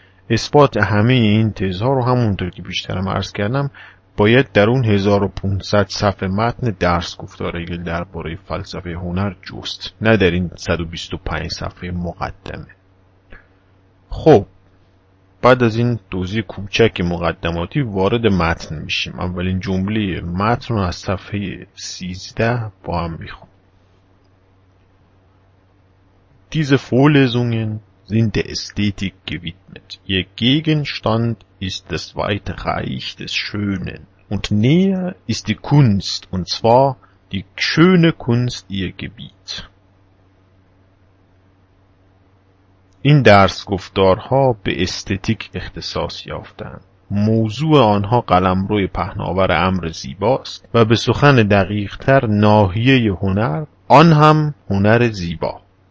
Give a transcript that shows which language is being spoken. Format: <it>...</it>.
<fa>اثبات همه این تزها رو همونطور که بیشترم عرض کردم باید در اون 1500 صفحه متن درس گفتار هگل درباره فلسفه هنر جست، نه در این 125 صفحه مقدمه. خب بعد از این دوزی کوچک مقدماتی وارد متن میشیم. اولین جمله متن رو از صفحه 13 با هم میخونم.</fa> <de>دیزه فولزونگن sind der Ästhetik gewidmet. Ihr Gegenstand ist das weite Reich des Schönen. Und näher ist die Kunst, und zwar die schöne Kunst ihr Gebiet.</de> <fa>این درس گفتارها به استتیک اختصاص یافتند. موضوع آنها قلمروی پهناور امر زیباست و به سخن دقیق تر ناحیه هنر، آن هم هنر زیبا.</fa>